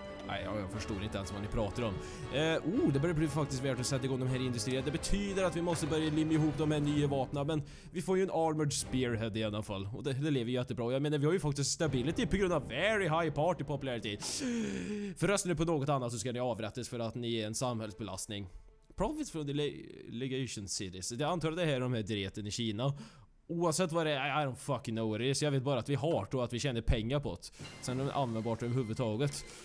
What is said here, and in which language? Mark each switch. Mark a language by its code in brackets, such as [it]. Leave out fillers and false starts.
[sv] Nej, jag förstår inte ens vad ni pratar om. Det börjar bli faktiskt värt att sätta igång de här industrierna. Det betyder att vi måste börja limma ihop de här nya vapnen. Men vi får ju en [en] armored spearhead [sv] i alla fall. Och det lever ju jättebra. Jag menar, vi har ju faktiskt stability på grund av [en] very high party popularity. [sv] Förresten, på något annat så ska ni avrättas för att ni är en samhällsbelastning. [en] Profits from the legation cities. [sv] Jag antar att det här är de här direten i Kina. Oavsett vad det är, [en] I don't fucking know what it is. [sv] Jag vet bara att vi har det och att vi tjänar pengar på det. Sen är det användbart överhuvudtaget.